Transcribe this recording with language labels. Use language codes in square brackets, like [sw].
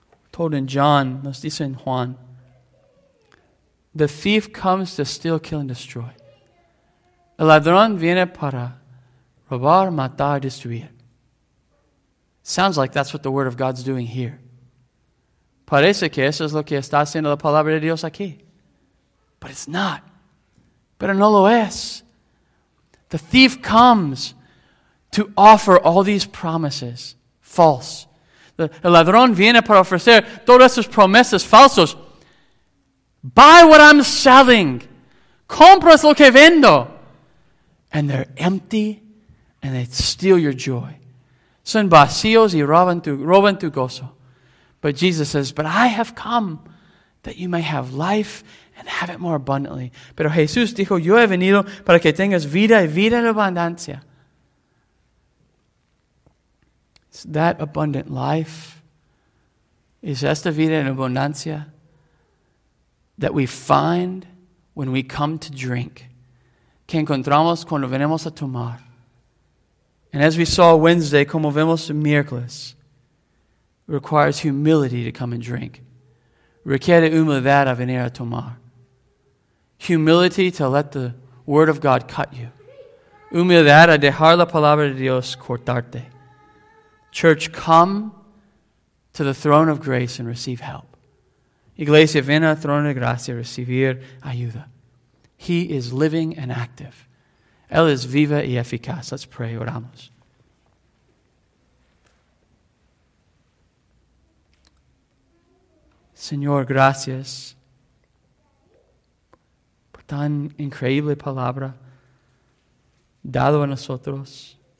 [en] Told in John, [es] nos dice en Juan, [en] the thief comes to steal, kill, and destroy. [es] El ladrón viene para robar, matar, destruir. [en] Sounds like that's what the Word of God's doing here. [es] Parece que eso es lo que está haciendo la palabra de Dios aquí. [en] But it's not. [es] Pero no lo es. [en] The thief comes to offer all these promises false. [es] El ladrón viene para ofrecer todas esas promesas falsas. [en] Buy what I'm selling. [es] Compras lo que vendo. [en] And they're empty and they steal your joy. [es] Son vacíos y roban tu gozo. [en] But Jesus says, but I have come that you may have life and have it more abundantly. [es] Pero Jesús dijo, yo he venido para que tengas vida y vida en abundancia. [en] It's that abundant life. Is [es] esta vida en abundancia [en] that we find when we come to drink. [es] Que encontramos cuando venimos a tomar. [en] And as we saw Wednesday, [es] como vemos miércoles, [en] requires humility to come and drink. [es] Requiere humildad a venir a tomar. [en] Humility to let the Word of God cut you. [es] Humildad a dejar la palabra de Dios cortarte. [en] Church, come to the throne of grace and receive help. [es] Iglesia, ven al trono de gracia, recibir ayuda. [en] He is living and active. [es] Él es viva y eficaz. [en] Let's pray, [es] oramos. Señor, gracias por tan increíble palabra dado a nosotros.